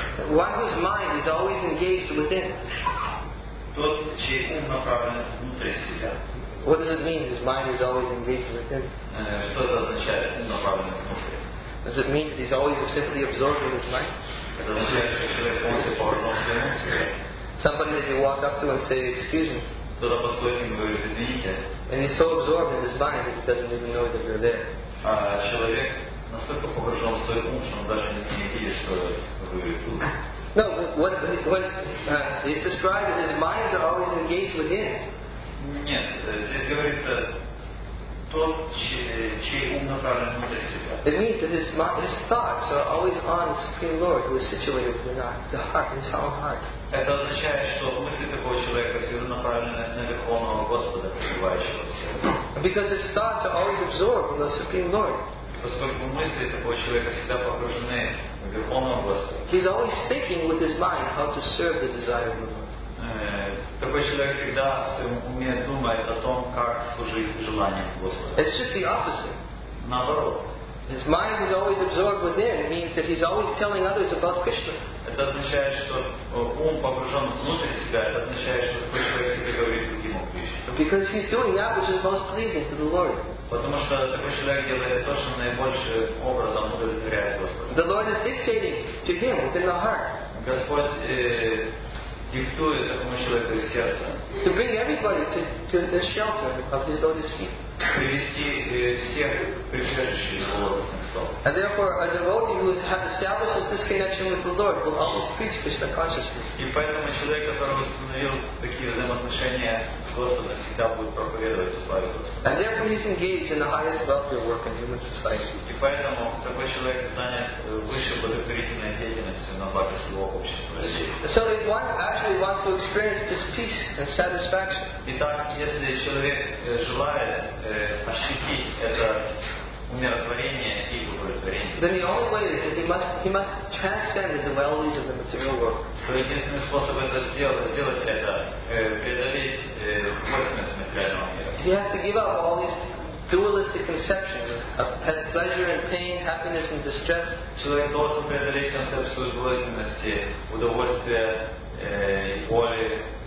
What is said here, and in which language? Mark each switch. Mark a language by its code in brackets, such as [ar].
[en] One whose mind is always engaged within. [ru] Тот, чей ум направлен внутрь себя. [en] What does it mean, his mind is always engaged within? [ru] Что это означает, ум направлен внутрь? [en] Does it mean that he's always simply absorbed in his mind? [ru] Это означает, что человек полностью погружен в себя. [en] Somebody that you walk up to and say, excuse me. [ru] Кто-то подходит к нему и говорит, извините. [en] And he's so absorbed in his mind that he doesn't even know that you're there. [ru] Человек настолько погружен в свой ум, что он даже не видит, что вы тут. [en] No, what is described is his minds are always engaged within. [ru] Нет, здесь говорится, тот, чей ум направлен внутрь себя. [en] It means that his thoughts are always on the Supreme Lord, who is situated within the heart, his own heart. [ru] Это означает, что мысли такого человека всегда направлены на Верховного Господа, пребывающего в сердце. [en] Because his thoughts are always absorbed in the Supreme Lord. [ru] Поскольку мысли такого человека всегда погружены в Верховного Господа. [en] He's always thinking with his mind how to serve the desire of the Lord. [ru] Такой человек всегда в своем уме думает о том, как служить желаниям Господа. [en] It's just the opposite. [ru] Наоборот. [en] His mind is always absorbed within. It means that he's always telling others about Krishna. [ru] Это означает, что ум погружен внутрь себя. Это означает, что такой человек всегда говорит другим о Кришне. [en] Because he's doing that which is most pleasing to the Lord. [ru] Потому что такой человек делает то, что наибольшим образом удовлетворяет Господа. [en] The Lord is dictating to him within the heart. [ru] Господь диктует такому человеку из сердца. [en] To bring everybody to the shelter of his lotus feet. [ru] Привести всех пришедших в лотосный стол. [en] And therefore, a devotee who has established this connection with the Lord will always preach Krishna consciousness. [ru] И поэтому человек, который установил такие взаимоотношения с Господом, всегда будет проповедовать славу Господа. [en] And therefore, he's engaged in the highest welfare work in human society. [ru] И поэтому такой человек занят высшей благотворительной деятельностью на благо всего общества. [en] So if one actually wants to experience this peace and satisfaction. [ru] Итак, если человек желает ощутить это умиротворение и удовлетворение. [en] Then the only way is that he must transcend the dualities of the material world. [ru] То единственный способ это сделать это преодолеть двойственность материального мира. [en] He has to give up all these dualistic conceptions of pleasure and pain, happiness and distress. [ru] Человек должен преодолеть концепцию двойственности, удовольствия, боли.